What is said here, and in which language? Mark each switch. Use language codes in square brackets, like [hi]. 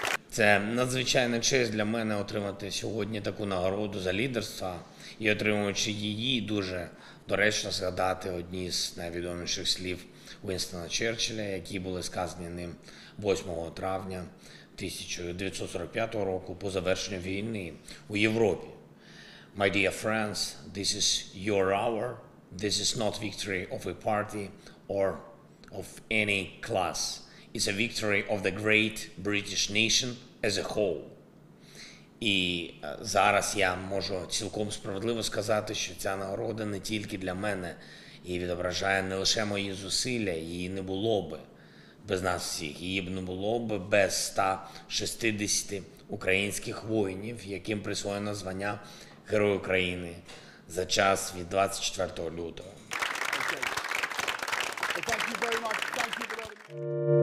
[uk] Це надзвичайна честь для мене отримати сьогодні таку нагороду за лідерство і, отримуючи її, дуже доречно згадати одні з найвідоміших слів Уінстона Черчилля, які були сказані ним 8 травня 1945 року по завершенню війни у Європі. [en] My dear friends, this is your hour. This is not victory of a party or of any class. It's a victory of the great British nation as a whole. [uk] І зараз я можу цілком справедливо сказати, що ця нагорода не тільки для мене і відображає не лише мої зусилля, її не було б без нас всіх, її б не було б без 160 українських воїнів, яким присвоєно звання Герой України за час від 24 лютого. [en] Okay. Well, thank you very much. Thank you.